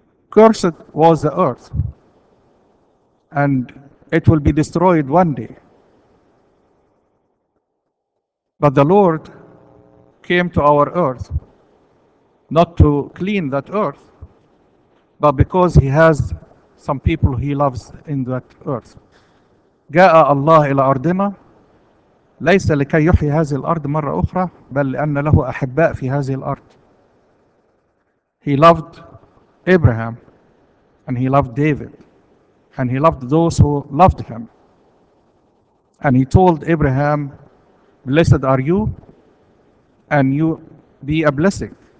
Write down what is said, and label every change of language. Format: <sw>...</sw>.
<en>Cursed was the earth, and it will be destroyed one day. But the Lord came to our earth, not to clean that earth, but because he has some people he loves in that earth.</en> <ar>جاء الله إلى أرضنا ليس لكي يحيي هذه الأرض مرة أخرى بل لأن له أحباء في هذه الأرض.</ar> <en>He loved Abraham and he loved David and he loved those who loved him. And he told Abraham, blessed are you and you be a blessing.</en>